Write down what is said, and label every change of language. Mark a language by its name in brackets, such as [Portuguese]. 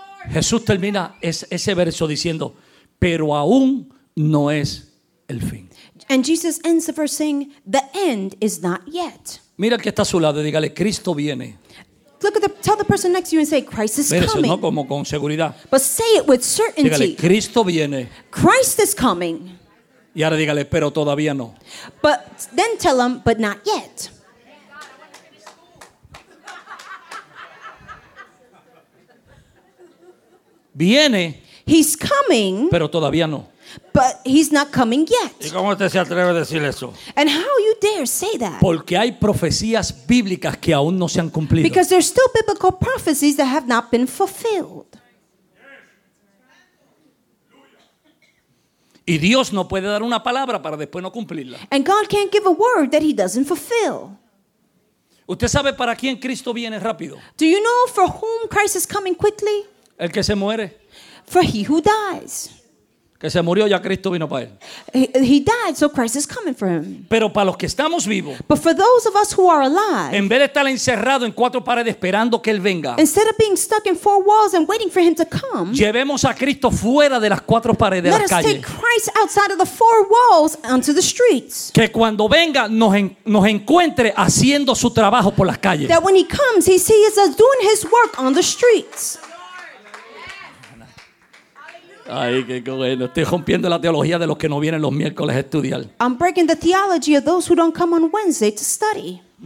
[Spanish] Jesús termina ese verso diciendo, pero aún no es el fin. [English] And Jesus ends the verse saying, the end is not yet. [Spanish] Mira que está a su lado y dígale, Cristo viene. [English] Look at tell the person next to you and say, Christ is [Spanish] mira, [English] coming. [Spanish] No, como con seguridad. [English] But say it with certainty. [Spanish] Dígale, Cristo viene. [English] Christ is coming. [Spanish] Y ahora dígale, pero todavía no. [English] But then tell them, but not yet. [Spanish] Viene. [English] He's coming. [Spanish] Pero todavía no. [English] But he's not coming yet. [Spanish] ¿Y cómo usted se atreve a decir eso? [English] And how you dare say that? [Spanish] Porque hay profecías bíblicas que aún no se han cumplido. [English] Because there's still biblical prophecies that have not been fulfilled. [Spanish] Y Dios no puede dar una palabra para después no cumplirla. [English] And God can't give a word that he doesn't fulfill. [Spanish] ¿Usted sabe para quién Cristo viene rápido? [English] Do you know for whom Christ is coming quickly? [Spanish] El que se muere. [English] For he who dies. [Spanish] Que se murió, ya Cristo vino para él. [English] He died, so Christ is coming for him. [Spanish] Pero para los que estamos vivos. [English] But for those of us who are alive. [Spanish] En vez de estar encerrado en cuatro paredes esperando que él venga. [English] Instead of being stuck in four walls and waiting for him to come. [Spanish] Llevemos a Cristo fuera de las cuatro paredes de las calles. [English] Let us take Christ outside of the four walls onto the streets. [Spanish] Que cuando venga nos encuentre haciendo su trabajo por las calles. [English] That when he comes, he sees us doing his work on the streets. [Spanish] Ay, qué bueno. Estoy rompiendo la teología de los que no vienen los miércoles a estudiar. [English] I'm breaking the theology of those who don't come on Wednesday to study.